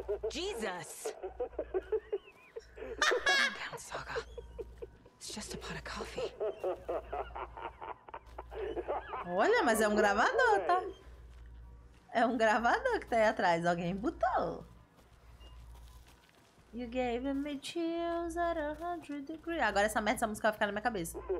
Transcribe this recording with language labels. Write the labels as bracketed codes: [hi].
[en] Jesus! Down, Saga. It's just a pot of coffee. [pt] Olha, mas é um gravador, tá? É um gravador que tá aí atrás. Alguém botou. [en] You gave me chills at 100 degrees. [pt] Agora essa merda, essa música vai ficar na minha cabeça.